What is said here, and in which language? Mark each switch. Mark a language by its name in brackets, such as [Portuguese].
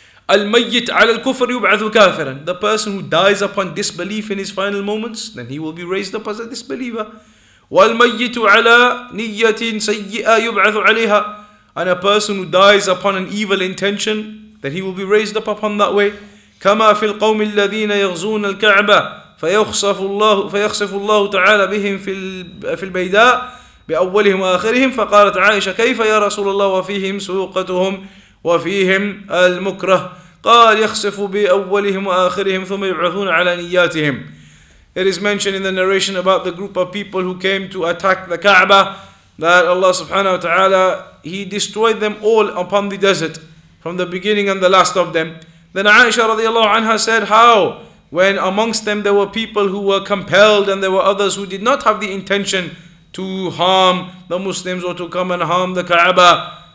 [Arabic] الْمَيِّتْ عَلَى الْكُفْرِ يُبْعَثُ كَافِرًا. [English] The person who dies upon disbelief in his final moments, then he will be raised up as a disbeliever. [Arabic] وَالْمَيِّتُ عَلَى نِيَّةٍ سَيِّئَةٍ يُبْعَثُ عَلَيْهَا. [English] And a person who dies upon an evil intention, then he will be raised up upon that way. [Arabic] كَمَا فِي الْقَوْمِ الَّذِينَ يَغْزُونَ الْكَعْبَةِ فَيَخْصَفُ اللَّهُ تَعَالَى بِهِمْ فِي الْبَيْدَاءِ بأولهم وآخرهم فقالت عائشة كيف يا رسول الله وفيهم سوقتهم وفيهم المكره قال يخسف بأولهم وآخرهم ثم يبعثون على نياتهم. [English] It is mentioned in the narration about the group of people who came to attack the Kaaba that Allah subhanahu wa ta'ala, He destroyed them all upon the desert from the beginning and the last of them. Then Aisha radiallahu anha said, how? When amongst them there were people who were compelled and there were others who did not have the intention to harm the Muslims or to come and harm the Kaaba.